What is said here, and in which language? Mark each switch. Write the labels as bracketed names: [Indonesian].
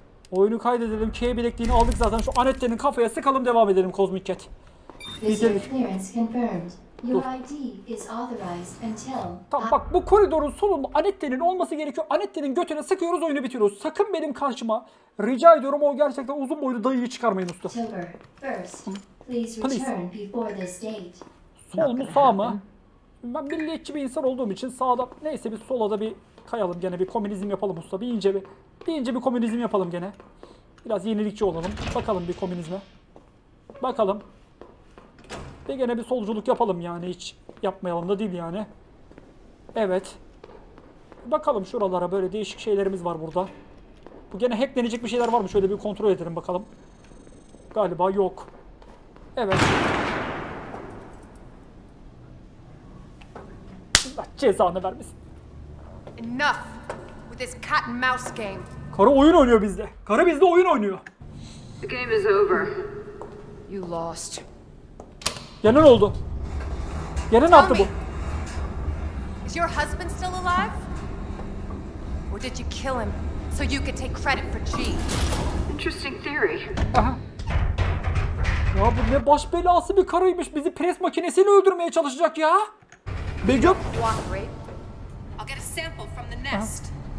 [Turkish] Oyunu kaydedelim. K bilekliğini aldık zaten. Şu anetlerin kafaya sıkalım, devam edelim Cosmic Cat. Bitirdik. [English] Your ID is authorized until... [Turkish] Tamam bak, bu koridorun sonunda anetlerin olması gerekiyor. Anetlerin götüne sıkıyoruz, oyunu bitiriyoruz. Sakın benim karşıma, rica ediyorum, o gerçekten uzun boylu dayıyı çıkarmayın usta. [English] October 1st, please return before this date. [Turkish] Sol mu sağ mı? Ben milliyetçi bir insan olduğum için sağda, neyse bir sola da bir kayalım gene, bir komünizm yapalım usta. Bir ince bir komünizm yapalım gene. Biraz yenilikçi olalım. Bakalım bir komünizme. Bakalım. Ve gene bir solculuk yapalım yani, hiç yapmayalım da değil yani. Evet. Bakalım şuralara, böyle değişik şeylerimiz var burada. Bu gene hacklenecek bir şeyler var mı? Şöyle bir kontrol edelim bakalım. Galiba yok. Evet. Allah cezanı vermesin. [English] Enough with this cat and mouse game. [Turkish] Karı oyun oynuyor bizde. Karı bizde oyun oynuyor. [English] The game is over. You lost. [Turkish] Gene ne oldu? Gene ne yaptı bu? [English] Is your husband still alive? Or did you kill him so you could take credit for G? Interesting theory. Aha. [Turkish] Ya bu ne baş belası bir karıymış. Bizi pres makinesiyle öldürmeye çalışacak ya. Begüm. [English] I'll get a sample from the nest.